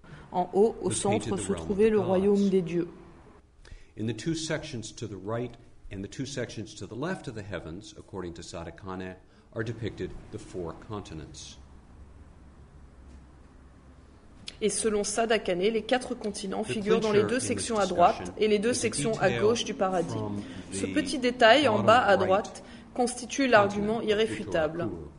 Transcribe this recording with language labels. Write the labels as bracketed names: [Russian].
[French] En haut, au centre, se trouvait le royaume des dieux. Dans les deux sections à droite, [English] and the two sections to the left of the heavens, according to Sadakane, are depicted the four continents. [French] Et selon Sadakane, les quatre continents figurent dans les deux sections à droite et les deux sections à gauche du paradis. Ce petit détail en bas à droite constitue l'argument irréfutable.